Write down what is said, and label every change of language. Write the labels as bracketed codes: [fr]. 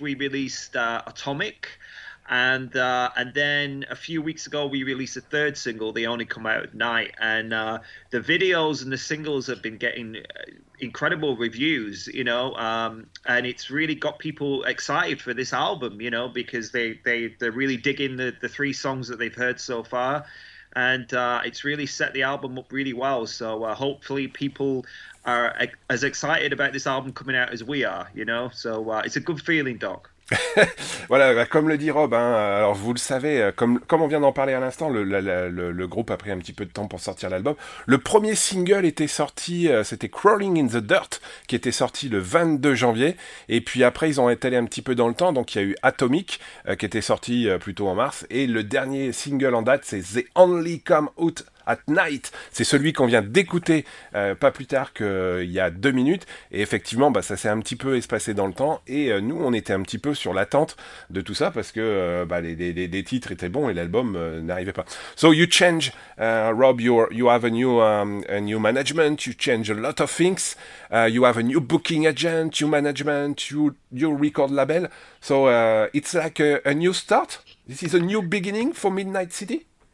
[en] We released Atomic, and then a few weeks ago we released a third single, They Only Come Out at Night, and the videos and the singles have been getting incredible reviews, you know, and it's really got people excited for this album, you know, because they're really digging the three songs that they've heard so far, and it's really set the album up really well. So hopefully people are as excited about this album coming out as we are, you know. So it's a good feeling, Doc. [fr] Voilà, comme le dit Rob, hein, alors vous le savez, comme on vient d'en parler à l'instant, le groupe a pris un petit peu de temps pour sortir l'album. Le premier single était sorti, c'était Crawling in the Dirt, qui était sorti le 22 janvier, et puis après ils ont étalé un petit peu dans le temps, donc il y a eu Atomic, qui était sorti plutôt en mars, et le dernier single en date c'est The Only Come Out At Night, c'est celui qu'on vient d'écouter pas plus tard qu'il y a 2 minutes. Et effectivement, bah, ça s'est un petit peu espacé dans le temps. Et nous, on était un petit peu sur l'attente de tout ça parce que bah, les titres étaient bons et l'album n'arrivait pas. [en] So you change, Rob, you have a new management, you change a lot of things. You have a new booking agent, new management, new record label. So it's like a new start. This is a new beginning for Midnight City.